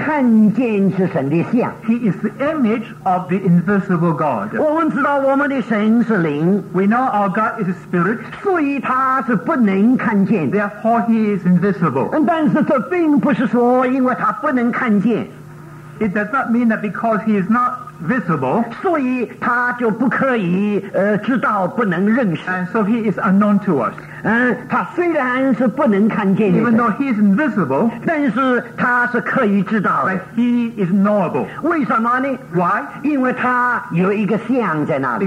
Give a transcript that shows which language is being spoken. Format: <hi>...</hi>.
<zh>他就是神不能看见是神的像。</zh> <en>He is the image of the invisible God.</en> <zh>我们知道我们的神是灵。</zh> <en>We know our God is a spirit.</en> <zh>所以他是不能看见。</zh> <en>Therefore he is invisible.</en> <zh>但是这并不是说因为他不能看见。</zh> <en>It does not mean that because he is not visible.</en> <zh>所以他就不可以知道不能认识。</zh> <en>And so he is unknown to us.</en> <zh>他虽然是不能看见的,</zh> <en>even though he is invisible,</en> <zh>但是他是可以知道的。</zh> <en>But he is knowable.</en> <zh>为什么呢?</zh> <en>Why?</en> <zh>因为他有一个像在那里。</zh>